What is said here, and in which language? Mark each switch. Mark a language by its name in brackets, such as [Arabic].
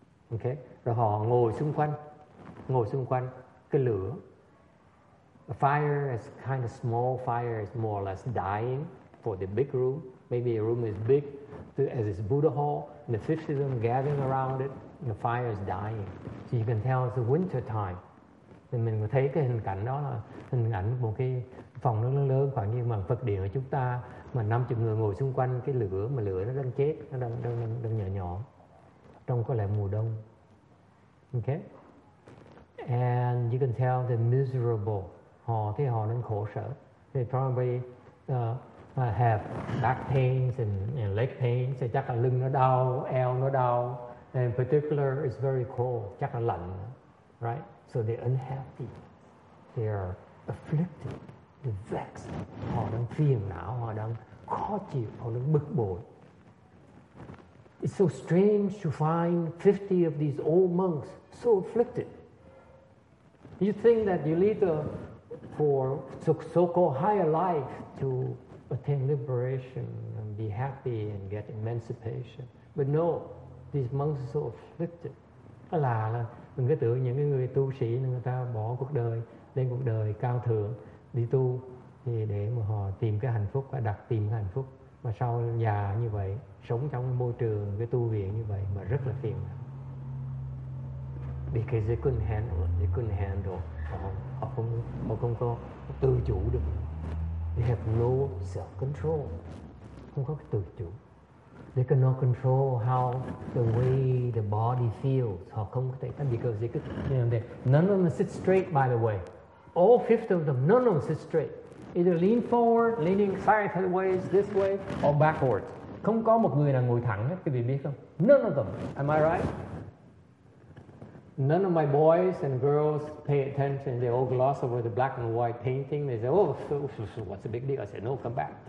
[Vietnamese] Okay, rồi họ ngồi xung quanh cái lửa. [English] A fire is kind of small. Fire is more or less dying for the big room. Maybe a room is big, as is Buddha Hall, and the 50 of them gathering around it, and the fire is dying. So you can tell it's the winter time. [Vietnamese] Thì mình có thấy cái hình cảnh đó là hình ảnh một cái phòng lớn khoảng như bằng Phật điện ở chúng ta, mà 50 người ngồi xung quanh cái lửa, mà lửa nó đang chết, nó đang nhỏ nhỏ, trong có lẽ mùa đông. [English] Okay? And you can tell they're miserable. [Vietnamese] Họ thấy họ đang khổ sở. [English] They probably have back pains and leg pains. So [Vietnamese] chắc là lưng nó đau, eo nó đau. [English] And in particular, it's very cold. [Vietnamese] Chắc là lạnh. [English] Right? So they're unhappy. They are afflicted. They're vexed. [Vietnamese] Họ đang phiền não. Họ đang khó chịu. Họ đang bực bội. [English] It's so strange to find 50 of these old monks so afflicted. You think that you lead for so-called higher life to attain liberation and be happy and get emancipation. But no, these monks are so afflicted. [Vietnamese] Là mình cứ tưởng những người tu sĩ người ta bỏ cuộc đời, lên cuộc đời cao thượng, đi tu thì để mà họ tìm cái hạnh phúc và đặt tìm cái hạnh phúc. Mà sau già như vậy, sống trong cái môi trường, cái tu viện như vậy mà rất là phiền. [English] Because they couldn't handle. [Vietnamese] Họ không có tự chủ được. [English] They have no self-control. [Vietnamese] Không có tự chủ. [English] They cannot control how the way the body feels. [Vietnamese] Họ không có thể, [English] because they could, you know, none of them sit straight, by the way. All 50 of them, none of them sit straight. Either lean forward, leaning sideways, this way, or backwards. [Vietnamese] Không có một người nào ngồi thẳng hết, quý vị biết không? [English] None of them. Am I right? None of my boys and girls pay attention. They all gloss over the black and white painting. They say, oh, so what's the big deal? I said, no, come back.